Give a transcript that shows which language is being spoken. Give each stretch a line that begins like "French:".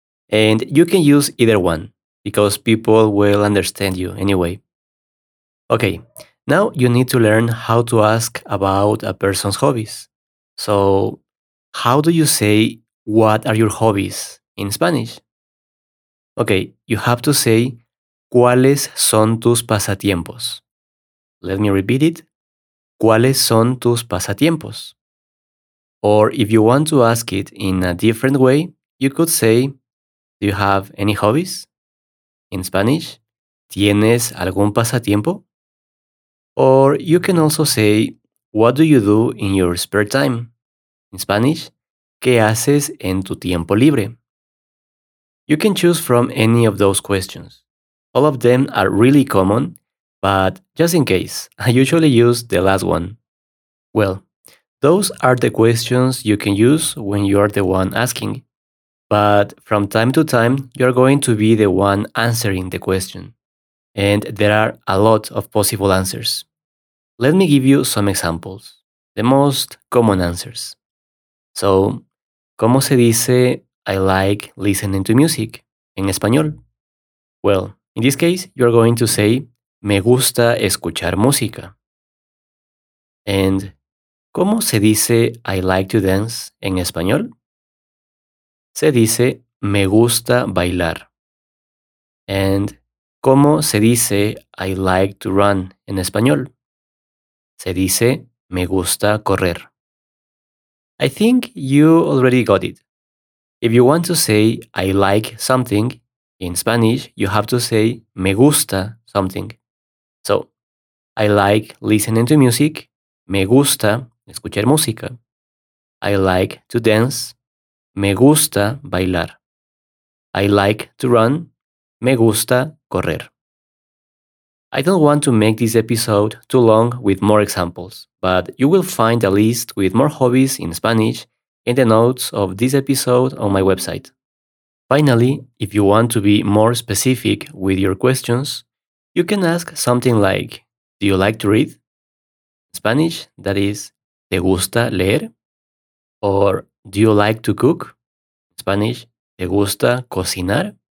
English: And you can use either one, because people will understand you anyway. Okay, now you need to learn how to ask about a person's hobbies. So, how do you say, what are your hobbies in Spanish? Okay, you have to say,
Spanish: ¿cuáles son tus pasatiempos?
English: Let me repeat it.
Spanish: ¿Cuáles son tus pasatiempos?
English: Or if you want to ask it in a different way, you could say, do you have any hobbies? In Spanish,
Spanish: ¿tienes algún pasatiempo?
English: Or you can also say, what do you do in your spare time? In Spanish,
Spanish: ¿qué haces en tu tiempo libre?
English: You can choose from any of those questions. All of them are really common, but just in case, I usually use the last one. Well, those are the questions you can use when you are the one asking. But from time to time, you're going to be the one answering the question. And there are a lot of possible answers. Let me give you some examples, the most common answers. So,
Spanish: ¿cómo se dice
English: I like listening to music
Spanish: en español?
English: Well, in this case, you're going to say
Spanish: me gusta escuchar música.
English: And
Spanish: ¿cómo se dice
English: I like to dance
Spanish: en español? Se dice, me gusta bailar.
English: And,
Spanish: ¿cómo se dice
English: I like to run
Spanish: en español? Se dice, me gusta correr.
English: I think you already got it. If you want to say I like something, in Spanish you have to say
Spanish: me gusta
English: something. So, I like listening to music.
Spanish: Me gusta escuchar música.
English: I like to dance.
Spanish: Me gusta bailar.
English: I like to run.
Spanish: Me gusta correr.
English: I don't want to make this episode too long with more examples, but you will find a list with more hobbies in Spanish in the notes of this episode on my website. Finally, if you want to be more specific with your questions, you can ask something like, do you like to read? In Spanish, that is,
Spanish: ¿te gusta leer?
English: Or, do you like to cook? In Spanish,
Spanish: ¿te gusta cocinar?